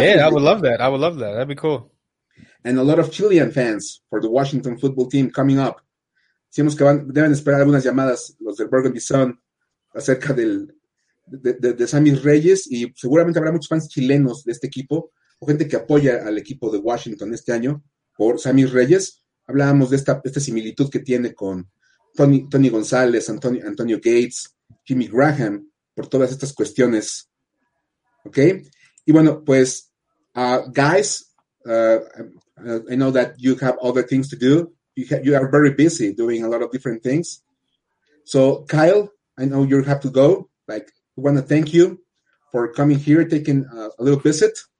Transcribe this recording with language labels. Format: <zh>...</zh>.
<en>Yeah, I would love that. I would love that. That'd be cool. And a lot of Chilean fans for the Washington football team coming up.</en> <es>Decimos que deben esperar algunas llamadas los del Burgundy Sun acerca de Samis Reyes, y seguramente habrá muchos fans chilenos de este equipo o gente que apoya al equipo de Washington este año por Samis Reyes. Hablábamos de esta similitud que tiene con Tony González, Antonio Gates, Jimmy Graham, por todas estas cuestiones. ¿Ok? Y bueno, pues,</es> <en>guys, I know that you have other things to do. You are very busy doing a lot of different things. So, Kyle, I know you have to go. Like, we want to thank you for coming here, taking a little visit.</en>